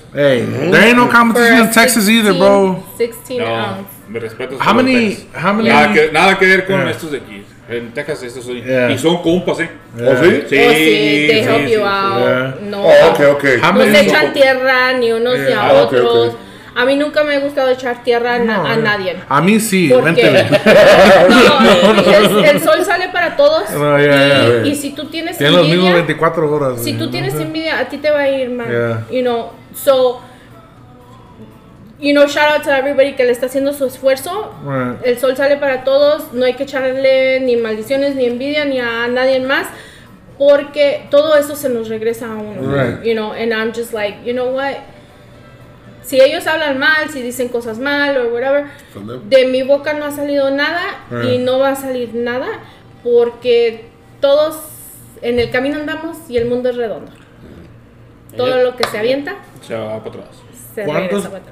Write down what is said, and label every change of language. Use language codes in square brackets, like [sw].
[en] Hey, there ain't no competition in Texas either, bro. 16 ounce. [es] Me respeto. [en] How many? [es] Nada que ver con estos de aquí. En Texas estos son y son compas, ¿eh? ¿O sí? [en] Sí, they help you out. Sí. Yeah. No. Oh, okay. [es] How many? No se echan tierra ni unos ni a otros. A mí nunca me ha gustado echar tierra a nadie. A mí sí, vente. No, el sol sale para todos. Y si tú tienes envidia. Tienes los mismos 24 horas. Si tú tienes envidia, a ti te va a ir mal. [en] Yeah. You know, so. You know, shout out to everybody que le está haciendo su esfuerzo. Right. [es] El sol sale para todos. No hay que echarle ni maldiciones, ni envidia, ni a nadie más. Porque todo eso se nos regresa a uno. [en] Right. You know, and I'm just like, you know what? [es] Si ellos hablan mal, si dicen cosas mal o whatever, de mi boca no ha salido nada y no va a salir nada porque todos en el camino andamos y el mundo es redondo. Todo lo que se avienta se va para atrás.